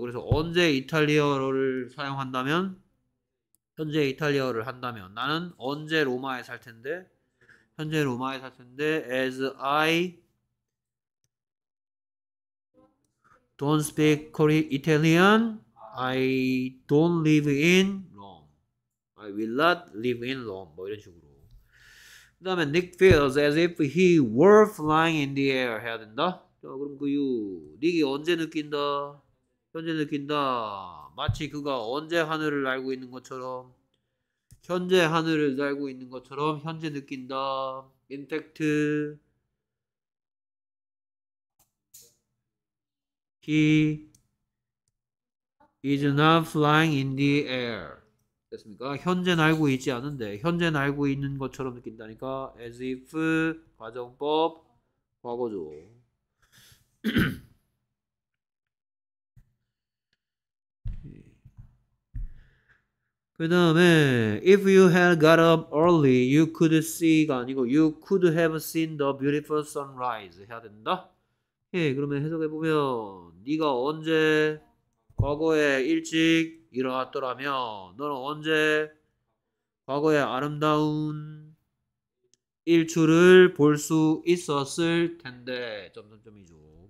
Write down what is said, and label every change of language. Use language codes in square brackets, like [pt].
[ko] 그래서 언제 이탈리아어를 사용한다면? 현재 이탈리아어를 한다면 나는 언제 로마에 살 텐데? 현재 로마에 살 텐데 [en] as I don't speak Italian I don't live in Rome. I will not live in Rome. [ko] 뭐 이런 식으로. 그다음에 [en] Nick feels as if he were flying in the air [ko] 해야 된다. 자, 그럼 그유 닉이 언제 느낀다? 현재 느낀다. 마치 그가 언제 하늘을 날고 있는 것처럼 현재 하늘을 날고 있는 것처럼 현재 느낀다. [en] In fact, he is not flying in the air. [ko] 됐습니까? 현재 날고 있지 않은데 현재 날고 있는 것처럼 느낀다니까 as if 가정법 과거죠. 그다음에 [en] if you had got up early, you could see가 아니고 you could have seen the beautiful sunrise [ko] 해야 된다. 예, 그러면 해석해 보면 네가 언제 과거에 일찍 일어났더라면 너는 언제 과거의 아름다운 일출을 볼수 있었을 텐데 점점점이죠.